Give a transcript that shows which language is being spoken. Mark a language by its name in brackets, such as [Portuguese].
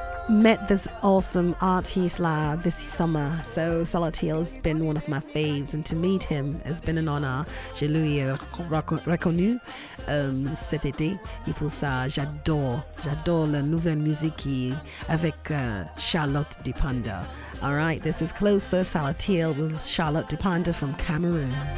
[English] Met this awesome artist this summer, so Salatiel has been one of my faves, and to meet him has been an honor. [French] Je lui ai reconnu cet été, et pour ça j'adore la nouvelle musique avec Charlotte Dipanda. [English] All right, this is Closer, Salatiel with Charlotte Dipanda from Cameroon.